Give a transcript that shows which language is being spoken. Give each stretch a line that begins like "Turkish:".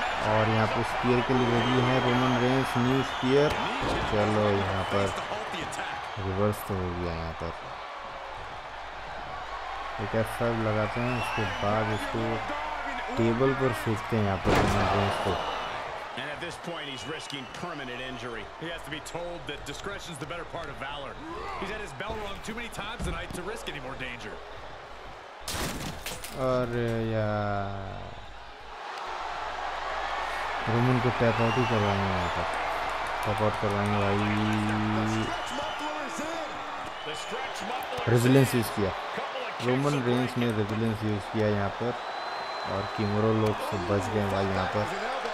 Hindi: और यहाँ पर स्पीयर के लिए रेडी है रोमन रेंस, न्यू स्पीयर। चलो यहाँ पर रिवर्स तो हो गया यहाँ पर, एक एफ5 लगाते हैं, उसके बाद इसको टेबल पर फेंकते हैं यहाँ पर रोमन रेंस को।
English: And at this point, he's risking permanent injury. He has to be told that discretion is the better part of valor. He's had his bell rung too many times tonight to risk any more danger.
Hindi: अरे यार Roman को tap out ही करवाएंगे यहाँ पर, tap out करवाएंगे भाई। Resilience use किया Roman Reigns ने, रेजिलेंस यूज किया यहाँ पर, और किमरो लोग से बच गए भाई यहाँ पर।